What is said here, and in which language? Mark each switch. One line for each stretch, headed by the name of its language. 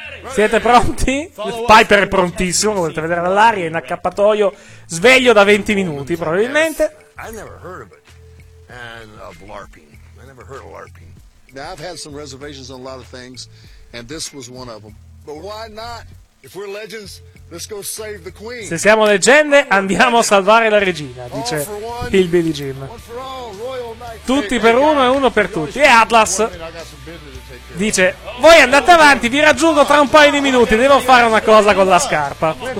Italian: Siete pronti? Piper è prontissimo, come potete vedere dall'aria, in accappatoio, sveglio da 20 minuti probabilmente.
English: Heard of LARPing. Now I've had some reservations on a lot of things, and this was one of them. But why not? If we're legends, let's go save the queen.
Italian: Se siamo leggende, andiamo a salvare la regina, dice il Billy Jim. Tutti per uno e uno per tutti. E Atlas dice: voi andate avanti, vi raggiungo tra un paio di minuti, devo fare una cosa con la scarpa.